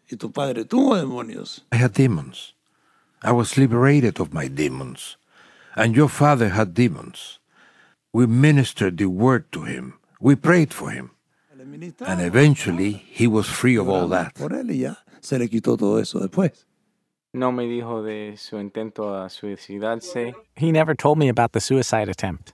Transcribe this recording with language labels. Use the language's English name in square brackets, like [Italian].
[Spanish] Y tu padre tuvo demonios. [English] I had demons. I was liberated of my demons. And your father had demons. We ministered the word to him. We prayed for him. And eventually, he was free of all that. [Spanish] Por él y ya. Se le quitó todo eso después. No me dijo de su intento a suicidarse. [English] He never told me about the suicide attempt.